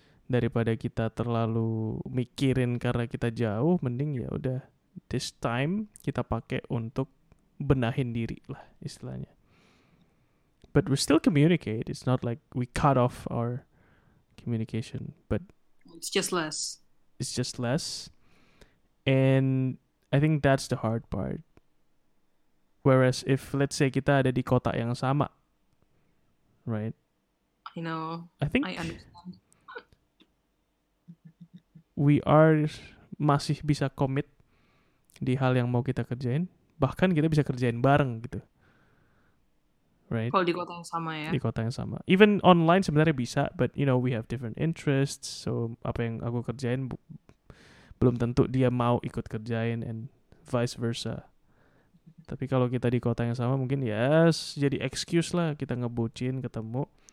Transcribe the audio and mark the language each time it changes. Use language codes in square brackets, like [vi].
[id] Daripada kita terlalu mikirin karena kita jauh, mending ya udah [en] this time [id] kita pakai untuk benahin diri lah istilahnya. [en] But we still communicate. It's not like we cut off our communication, but it's just less. It's just less. And I think that's the hard part. Whereas if, let's say, [id] kita ada di kota yang sama, [en] right? I know. I think I understand. We are [id] masih bisa commit di hal yang mau kita kerjain. Bahkan kita bisa kerjain bareng gitu. [en] Right? [id] Kalau di kota yang sama ya. Di kota yang sama. [en] Even online [id] sebenarnya bisa, [en] but you know, we have different interests. [id] So apa yang aku kerjain, belum tentu dia mau ikut kerjain [en] and vice versa. [id] Tapi kalau kita di kota yang sama mungkin yes, jadi excuse lah kita ngebucin, ketemu.